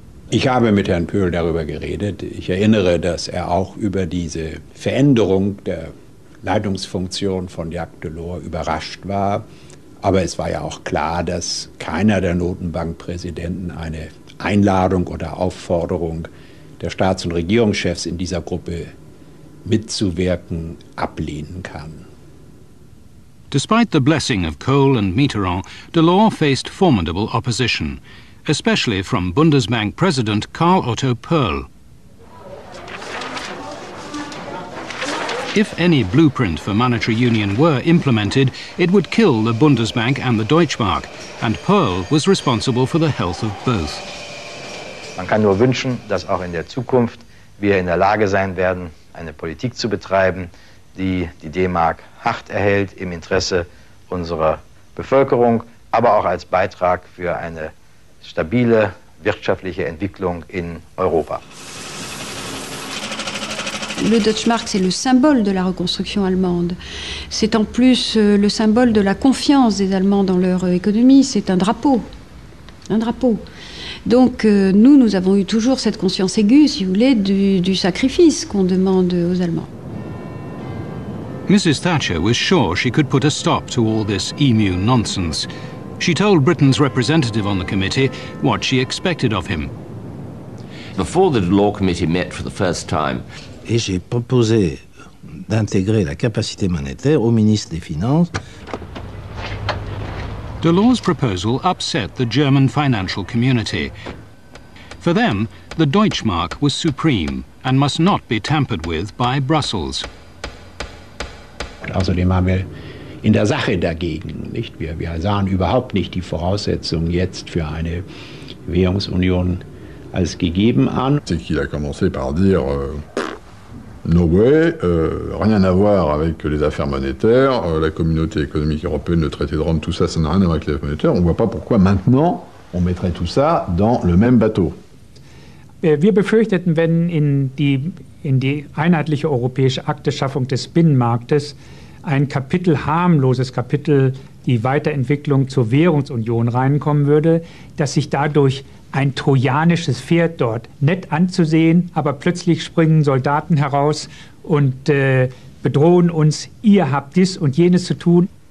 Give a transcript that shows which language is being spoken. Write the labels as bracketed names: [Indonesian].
[German] Ich habe mit Herrn Pöhl darüber geredet. Ich erinnere, dass er auch über diese Veränderung der Leitungsfunktion von Jacques Delors überrascht war. Aber es war ja auch klar, dass keiner der Notenbankpräsidenten eine Einladung oder Aufforderung der Staats- und Regierungschefs in dieser Gruppe mitzuwirken ablehnen kann. [English] Despite the blessing of Kohl and Mitterrand, Delors faced formidable opposition, especially from Bundesbank President Karl Otto Perl. If any blueprint for monetary union were implemented, it would kill the Bundesbank and the Deutsche Mark, and Perl was responsible for the health of both. [German] Man kann nur wünschen, dass auch in der Zukunft wir in der Lage sein werden, eine Politik zu betreiben, die die D-Mark hart erhält im Interesse unserer Bevölkerung, aber auch als Beitrag für eine stabile wirtschaftliche Entwicklung in Europa. [French] Le Deutsche Mark, c'est le symbole de la reconstruction allemande. C'est en plus le symbole de la confiance des Allemands dans leur économie. C'est un drapeau. Un drapeau. Donc nous avons eu toujours cette conscience aiguë, si vous voulez, du sacrifice qu'on demande aux Allemands. [English] Mrs. Thatcher was sure she could put a stop to all this emu nonsense. She told Britain's representative on the committee what she expected of him. Before the law committee met for the first time, [French] et j'ai proposé d'intégrer la capacité monétaire au ministre des Finances. [English] Delors' proposal upset the German financial community. For them, the Deutschmark was supreme and must not be tampered with by Brussels. [German] Außerdem haben wir in der Sache dagegen, nicht? Wir sahen überhaupt nicht die Voraussetzung jetzt für eine Währungsunion als gegeben an. [French] C'est qu'il a commencé par dire [English] no way, [French] rien à voir avec les affaires monétaires, la communauté économique européenne, le traité de Rome, tout ça, ça n'a rien à voir avec les affaires monétaires. On voit pas pourquoi maintenant on mettrait tout ça dans le même bateau. [German] Wir befürchteten, wenn in die einheitliche europäische Akteschaffung des Binnenmarktes ein Kapitel, harmloses Kapitel, die Weiterentwicklung zur Währungsunion reinkommen würde, dass sich dadurch ein trojanisches Pferd dort nett anzusehen, aber plötzlich springen Soldaten heraus und bedrohen uns, ihr habt dies und jenes zu tun.